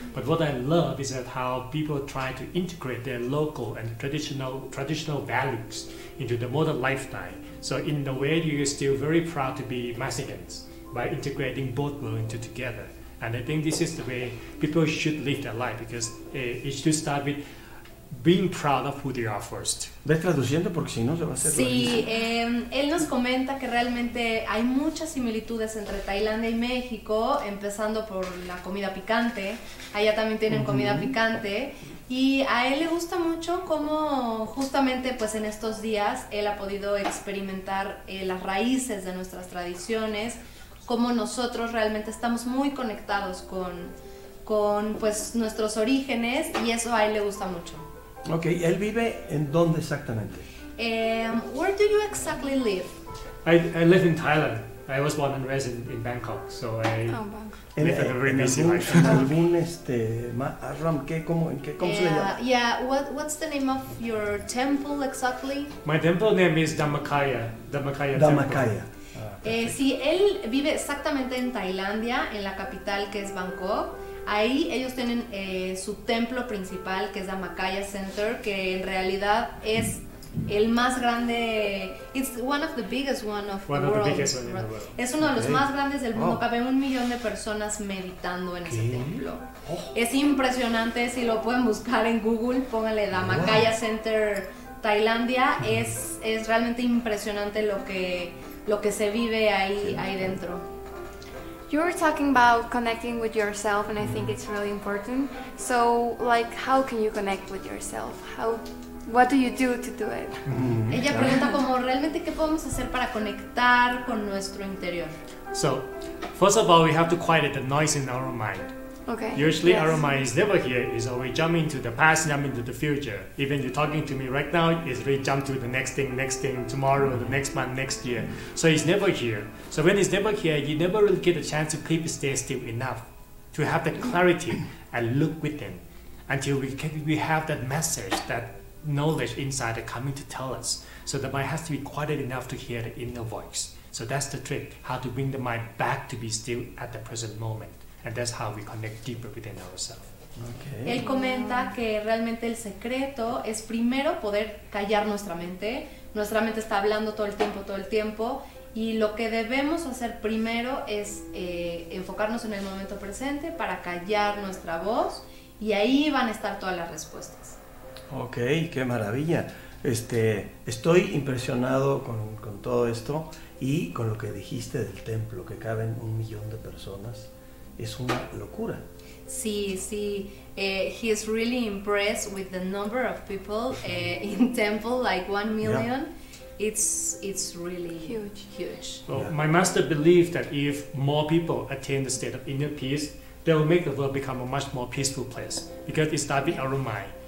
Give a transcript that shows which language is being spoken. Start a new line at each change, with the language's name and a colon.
English: But what I love is that how people try to integrate their local and traditional values into the modern lifestyle. So in a way, you're still very proud to be Mexicans by integrating both worlds together. And I think this is the way people should live their life, because it should start with being proud of who they are first.
Spanish: ¿Ves traduciendo? Porque si no se va a hacer. Sí, él nos comenta que realmente hay muchas similitudes entre Tailandia y México, empezando por la comida picante. Allá también tienen comida picante. Y a él le gusta mucho cómo justamente pues en estos días él ha podido experimentar las raíces de nuestras tradiciones, cómo nosotros realmente estamos muy conectados con pues nuestros orígenes, y eso a él le gusta mucho. Okay, ¿él vive en dónde exactamente?
English: Where do you exactly live? I live in Thailand. I was born and raised in Bangkok, so I live a very busy life.
Spanish: ¿En algún ashram? ¿Cómo se le llama?
English: Yeah, what's the name of your temple exactly? My temple name is Dhammakaya. Dhammakaya.
Spanish: Sí, él vive exactamente en Tailandia, en la capital que es Bangkok. Ahí ellos tienen su templo principal, que es Dhammakaya Center, que en realidad es el más grande.
English: It's one of the biggest one of one the world. Of the biggest one in the world.
Spanish: Es uno de los más grandes del mundo. Cabe 1,000,000 de personas meditando en ese templo. Es impresionante. Si lo pueden buscar en Google, pónganle Dhammakaya Center Tailandia. Es realmente impresionante lo que se vive ahí dentro.
English: You were talking about connecting with yourself, and I think it's really important. So, like, how can you connect with yourself? What do you do to do it?
Spanish: Ella pregunta como realmente qué podemos hacer para conectar con nuestro interior.
English: So, first of all, we have to quiet the noise in our mind. Okay. Usually, our mind is never here. It's always jumping to the past, jumping to the future. Even you're talking to me right now, it's really jumped to the next thing, tomorrow, the next month, next year. So it's never here. So when it's never here, you never really get a chance to keep it still enough to have that clarity and look within until we have that message, that knowledge inside that coming to tell us. So the mind has to be quiet enough to hear the inner voice. So that's the trick, how to bring the mind back to be still at the present moment. And that's how we connect deeper within ourselves. Okay.
Spanish: Él comenta que realmente el secreto es primero poder callar nuestra mente. Nuestra mente está hablando todo el tiempo, y lo que debemos hacer primero es enfocarnos en el momento presente para callar nuestra voz, y ahí van a estar todas las respuestas. Okay, qué maravilla. Estoy impresionado con todo esto y con lo que dijiste del templo, que caben 1,000,000 de personas. Es una locura. Sí.
English: He is really impressed with the number of people in temple, like 1,000,000. Yeah. It's really huge. Well, yeah. My master believed that if more people attain the state of inner peace, they will make the world become a much more peaceful place, because it starts with our mind.